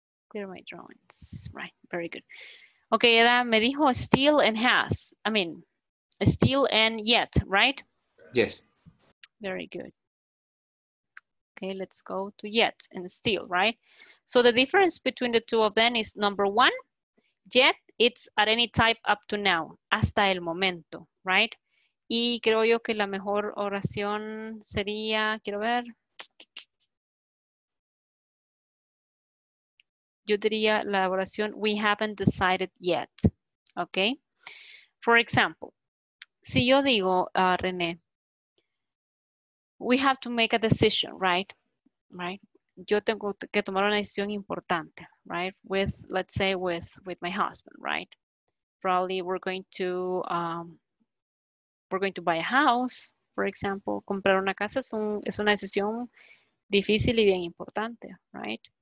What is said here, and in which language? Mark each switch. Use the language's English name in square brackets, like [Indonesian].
[English] Clear my drawings, right, very good. Okay, [Spanish] era, me dijo [English] still and has, I mean, still and yet, right? Yes. Very good. Okay, let's go to yet and still, right? So the difference between the two of them is number one, yet it's at any type up to now, [Spanish] hasta el momento, [English] right? [Spanish] Y creo yo que la mejor oración sería, quiero ver. Yo diría la oración, [English] we haven't decided yet, [Spanish] okay? [English] For example, [Spanish] si yo digo, [English] René, we have to make a decision, right? Right? [Spanish] Yo tengo que tomar una decisión importante, right? [English] With, let's say, with my husband, right? Probably we're going to buy a house, for example. [Spanish] Comprar una casa es una decisión difícil y bien importante, right?